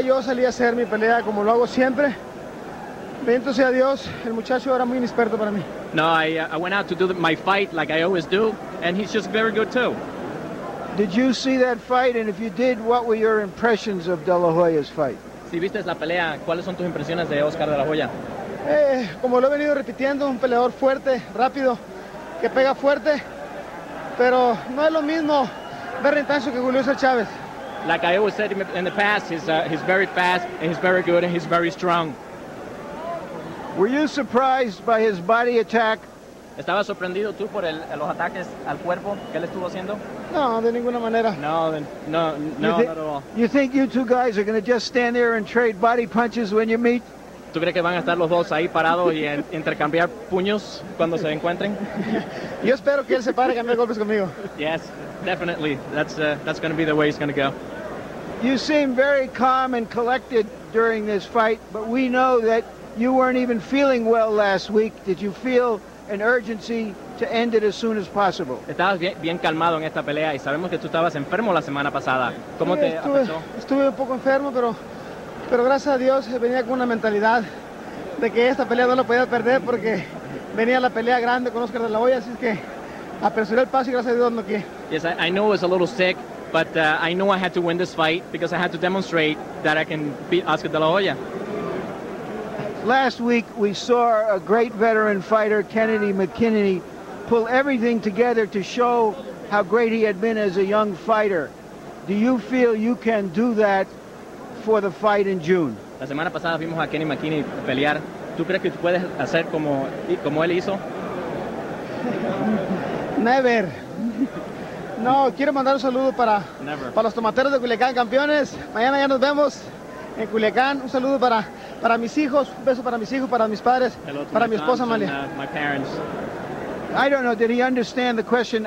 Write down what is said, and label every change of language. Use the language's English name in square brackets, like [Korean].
[Spanish] Yo salí a hacer mi pelea como lo hago siempre. Bendito sea Dios, el muchacho era muy inexperto para mí. [English] No, I went out to do my fight like I always do, and he's just very good too. Did you see that fight, and if you did, what were your impressions of De La Hoya's fight? [Spanish] Si viste la pelea, ¿cuáles son tus impresiones de Oscar De La Hoya? Como lo he venido repitiendo, un peleador fuerte, rápido, que pega fuerte, pero no es lo mismo ver en tanto que Julio Cesar Chavez. [English] Like I always said in the past, he's very fast, and he's very good, and he's very strong. Were you surprised by his body attack? [Spanish] ¿Estaba sorprendido tú por los ataques al cuerpo que él estuvo haciendo? No, de ninguna manera. [English] No, not at all. You think you two guys are going to just stand there and trade body punches when you meet? [Spanish] ¿Tú crees que van a estar los dos ahí parados y intercambiar puños cuando se encuentren? Yo espero que él se pare a cambiar golpes conmigo. [English] Yes, definitely. That's going to be the way it's going to go. You seem very calm and collected during this fight, but we know that you weren't even feeling well last week. Did you feel an urgency to end it as soon as possible? [Spanish] Estabas bien calmado en esta pelea y sabemos que tú estabas enfermo la semana pasada. ¿Cómo te afectó? Estuve un poco enfermo, pero gracias a Dios venía con una mentalidad de que esta pelea no la podía perder porque venía la pelea grande con Oscar De La Hoya, así que apresuré el paso y gracias a Dios no quie. [English] Yes, I know it was a little sick, but I knew I had to win this fight because I had to demonstrate that I can beat Oscar De La Hoya. Last week, we saw a great veteran fighter, Kennedy McKinney, pull everything together to show how great he had been as a young fighter. Do you feel you can do that for the fight in June? [Spanish] La semana pasada vimos a Kenny McKinney pelear. ¿Tú crees que tú puedes hacer como él hizo? [English] Never. [Spanish] No, quiero mandar un saludo para los tomateros de Culiacán, campeones. Mañana ya nos vemos en Culiacán. Un saludo para mis hijos. Un beso para mis hijos, para mis padres, para mi esposa, Amalia. [English] My parents. I don't know, did he understand the question?